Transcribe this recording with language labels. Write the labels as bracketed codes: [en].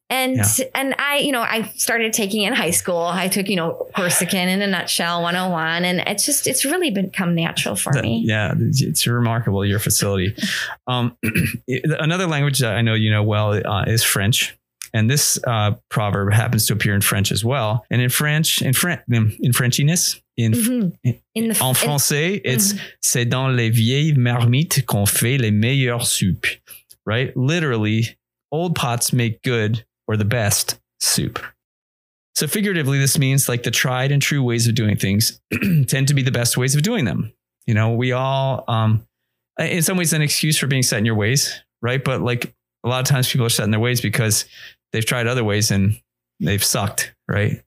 [en] And I started taking it in high school. I took, Corsican in a nutshell 101, and it's really become natural for me. Yeah. It's remarkable. Your facility. another language that I know, well, is French. And this proverb happens to appear in French as well. And in French, it's [fr] c'est dans les vieilles marmites qu'on fait les meilleures soupes, [en] right? Literally, old pots make good or the best soup. So figuratively, this means like the tried and true ways of doing things tend to be the best ways of doing them. You know, we all, in some ways, an excuse for being set in your ways, right? But like a lot of times people are set in their ways because they've tried other ways and they've sucked, right?